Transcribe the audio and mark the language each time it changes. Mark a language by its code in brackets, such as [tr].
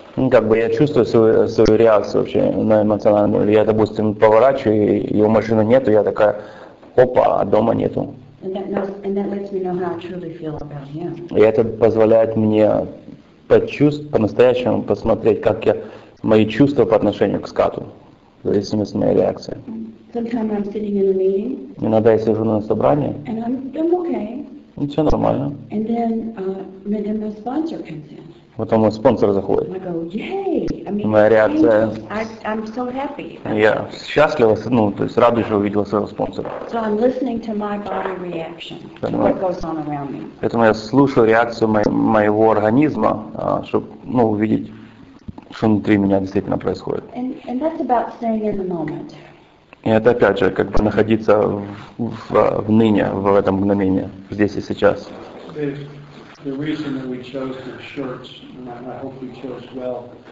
[ru] Ну, как бы я чувствую свою реакцию вообще на эмоциональную. Я, допустим, поворачиваю, и его машины нету, я такая, опа, а дома нету. [en] And that lets me know how I truly feel about him. [ru] И это позволяет мне почувствовать, по-настоящему посмотреть, как я, мои чувства по отношению к Скотту, в зависимости от моей реакции. [en] Sometimes I'm sitting in a meeting. [ru] Иногда я сижу на собрании. [en] And I'm okay. [ru] Ну, все нормально. [en] And then, my sponsor comes in. [ru] Потом мой спонсор заходит. [en] I go, yay! [ru] Моя реакция. [en] I'm so happy. [ru] Я счастлива, ну, то есть радуюсь, что увидела своего спонсора. [en] So I'm listening to my body reaction to what goes on around me. [ru] Поэтому я слушаю реакцию моего организма, чтобы, ну, увидеть, что внутри меня действительно происходит. [en] And that's about staying in the moment. [ru] И это опять же как бы находиться в ныне, в этом мгновении, здесь и сейчас. [en] The reason that we chose the shirts, and I hope we chose well,